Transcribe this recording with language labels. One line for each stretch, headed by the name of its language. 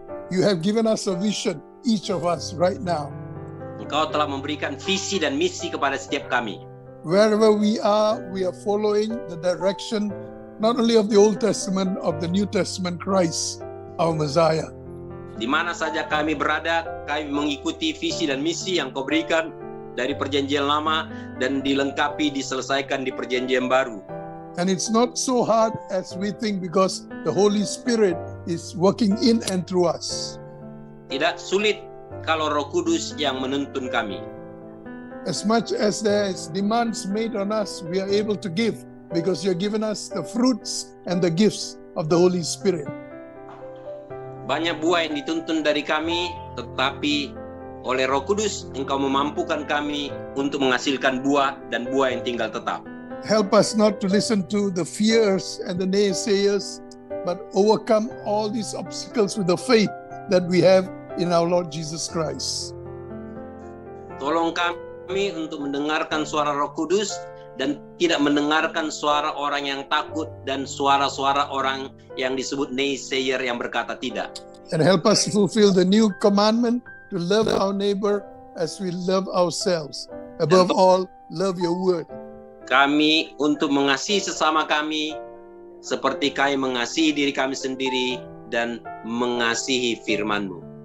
English: You have given us a vision, each of us, right now.
Indonesian: Engkau telah memberikan visi dan misi kepada setiap kami.
English: Wherever we are following the direction, not only of the Old Testament, of the New Testament Christ, our Messiah.
Indonesian: Di mana saja kami berada, kami mengikuti visi dan misi yang Kau berikan dari Perjanjian Lama dan dilengkapi, diselesaikan di Perjanjian Baru.
English: And it's not so hard as we think because the Holy Spirit is working in and through us.
Indonesian: Tidak sulit kalau Roh Kudus yang menuntun kami.
English: As much as there is demands made on us, we are able to give because You have given us the fruits and the gifts of the Holy Spirit.
Indonesian: Banyak buah yang dituntun dari kami, tetapi oleh Roh Kudus Engkau memampukan kami untuk menghasilkan buah dan buah yang tinggal tetap.
English: Help us not to listen to the fears and the naysayers, but overcome all these obstacles with the faith that we have in our Lord Jesus Christ.
Indonesian: Tolong kami untuk mendengarkan suara Roh Kudus dan tidak mendengarkan suara orang yang takut dan suara-suara orang yang disebut naysayer yang berkata tidak.
English: And help us fulfill the new commandment to love our neighbor as we love ourselves. Above all, love Your word.
Indonesian: Kami untuk mengasihi sesama kami seperti kami mengasihi diri kami sendiri dan mengasihi firman-Mu.